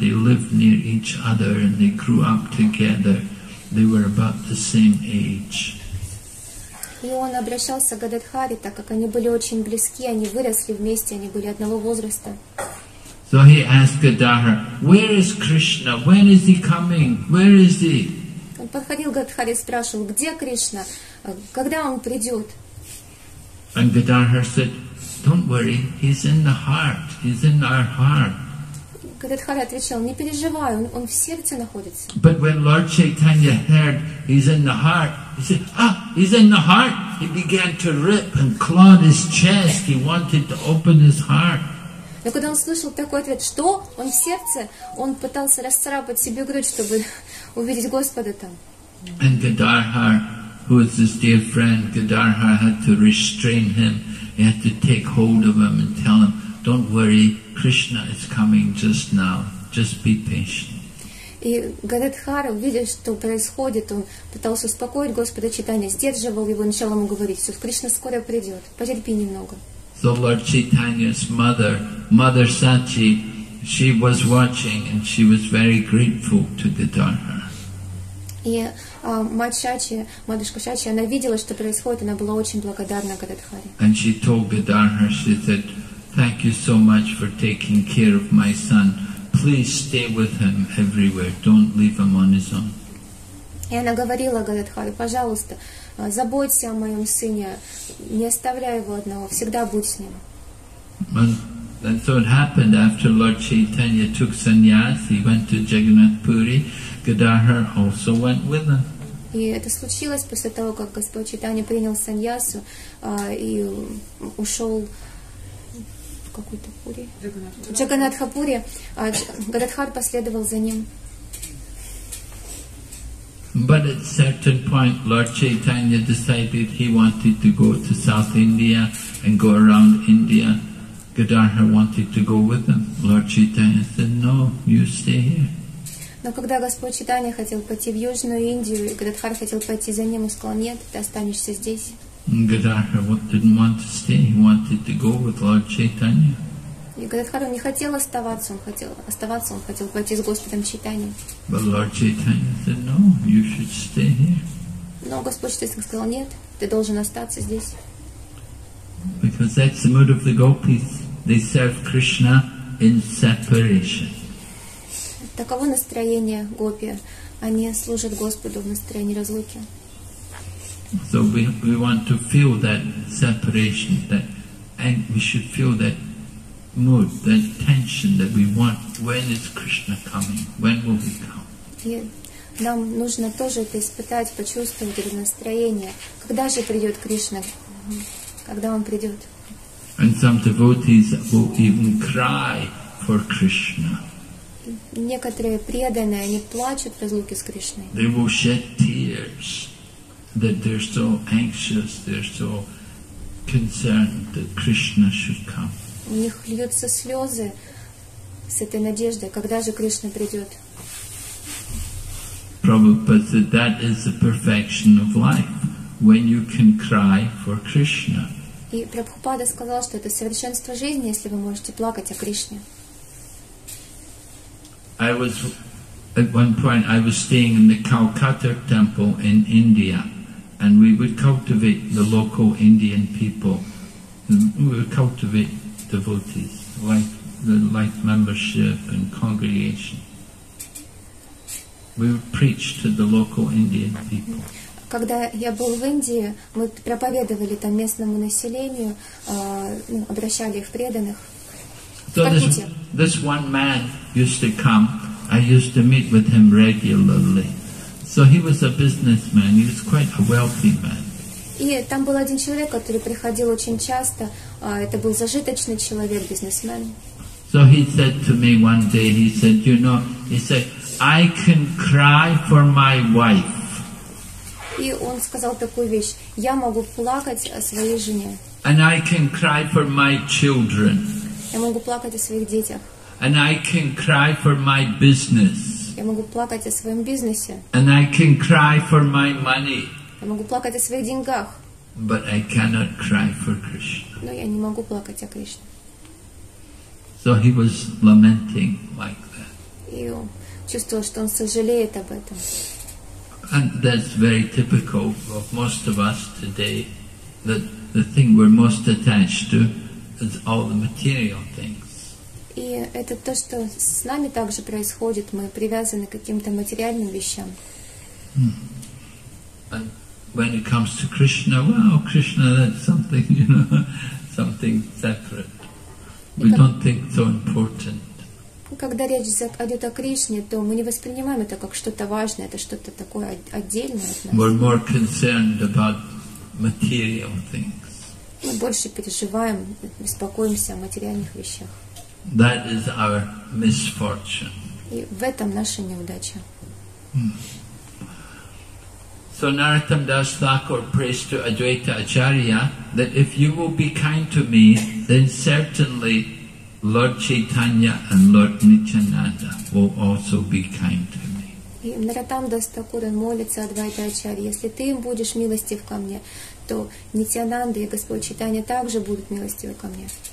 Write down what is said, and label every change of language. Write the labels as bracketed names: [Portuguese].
[English] They lived near each other and they grew up together. They were about the same age. [Russian] И он обращался к Гададхаре, так как они были очень близки, они выросли вместе, они были одного возраста. [English] So he asked Gadadhar, "Where is Krishna? When is he coming? Where is he?" [Russian] Он подходил к Гададхаре и спрашивал, где Кришна, когда он придет. [English] And Gadadhar said, "Don't worry, he's in the heart. He's in our heart." [Russian] Гададхара отвечал, не переживай, он в сердце находится. [English] But when Lord Chaitanya heard he's in the heart, he said, ah, he's in the heart, He began to rip and claw his chest. He wanted to open his heart. [Russian] Но когда он слышал такой ответ, что он в сердце, он пытался расцарапать себе грудь, чтобы увидеть Господа там. [English] And Gadarhar, who was his dear friend, Gadarhar had to restrain him. He had to take hold of him and tell him, "Don't worry, Krishna is coming just now. Just be patient." [Russian] И Гададхар, увидев, что происходит, он пытался успокоить Господа Читания, сдерживал его, начал ему говорить, все, Кришна скоро придет, потерпи немного. [English] So Lord Chaitanya's mother, Mother Sachi, she was watching and she was very grateful to Gadarhar. [Russian] И мать Сачи, матушка Сачи, она видела, что происходит, она была очень благодарна Гададхаре. [English] And she told Gadarhar, she said, "Thank you so much for taking care of my son. Please stay with him everywhere. Don't leave him on his own." [Russian] И она говорила Гададхаре, пожалуйста, заботься о моем сыне, не оставляй его одного, всегда будь с ним. [English] And so it happened after Lord Chaitanya took sannyas, he went to Jagannath Puri, Gadarhar also went with him. [Russian] И это случилось после того, как Господь Чайтанья принял саньясу и ушел в какой-то Пури. Джаганатхапури. Гададхар последовал за ним. [English] But at certain point, Lord Chaitanya decided he wanted to go to South India and go around India. Gadarhar wanted to go with him. Lord Chaitanya said, "No, you stay here." [Russian] Но когда Господь Читания хотел пойти в Южную Индию, и Гададхар хотел пойти за ним, он сказал, нет, ты останешься здесь. [English] Gadarhar didn't want to stay, he wanted to go with Lord Chaitanya. [Russian] И Гададхар не хотел оставаться, он хотел пойти с Господом Читанием. [English] But Lord Chaitanya said, "No, you should stay here." [Russian] Но Господь Читания сказал, нет, ты должен остаться здесь. [English] Because that's the mood of the gopis. They serve Krishna in separation. [Russian] Таково настроение гопи. Они служат Господу в настроении разлуки. [English] So we want to feel that separation, that, and we should feel that mood, that tension that we want. When is Krishna coming? When will he come? [Russian] И нам нужно тоже это испытать, почувствовать это настроение. Когда же придет Кришна? Когда он придет? [English] And some devotees will even cry for Krishna. [Russian] Некоторые преданные, они плачут в разлуке с Кришной. [English] They will shed tears that they're so anxious, they're so concerned that Krishna should come. [Russian] У них льются слезы с этой надеждой, когда же Кришна придет. [English] Prabhupada said that is the perfection of life, when you can cry for Krishna. [Russian] И Прабхупада сказал, что это совершенство жизни, если вы можете плакать о Кришне. [English] I was at one point I was staying in the Calcutta temple in India, and we would cultivate the local Indian people. We would cultivate devotees, like the life membership and congregation. We would preach to the local Indian people. [Russian] Когда я был в Индии, мы проповедовали там местному населению, обращали их преданных. [English] So this one man used to come. I used to meet with him regularly. So he was a businessman. He was quite a wealthy man. [Russian] И там был один человек, который приходил очень часто. Это был зажиточный человек, бизнесмен. [English] So he said to me one day. He said, "You know," he said, "I can cry for my wife." [Russian] И он сказал такую вещь: "Я могу плакать о своей жене." [English] And I can cry for my children. [Russian] Я могу плакать о своих детях. [English] And I can cry for my business. [Russian] Я могу плакать о своем бизнесе. [English] And I can cry for my money. [Russian] Я могу плакать о своих деньгах. [English] But I cannot cry for Krishna. [Russian] Но я не могу плакать о Кришне. [English] So he was lamenting like that. [Russian] И он чувствовал, что он сожалеет об этом. [English] And that's very typical of most of us today, that the thing we're most attached to is all the material things. [Russian] И это то, что с нами также происходит. Мы привязаны к каким-то материальным вещам. [English] And when it comes to Krishna, well, Krishna, that's something, you know, something separate. We don't think so important. [Russian] Когда речь идет о Кришне, то мы не воспринимаем это как что-то важное, это что-то такое отдельное от нас. [English] We're more concerned about material things. [Russian] Мы больше переживаем, беспокоимся о материальных вещах. [English] That is our misfortune. [Russian] И в этом наша неудача. [English] So Narottam Das Thakur prays to Advaita Acharya that if you will be kind to me, then certainly Lord Chaitanya and Lord Nityananda will also be kind to me. [Russian] И Нараттам Дас Такур молится Адвайта Ачарье: если ты им будешь милостив ко мне, то Нитьянанда и Господь Чайтанья также будут милостивы ко мне.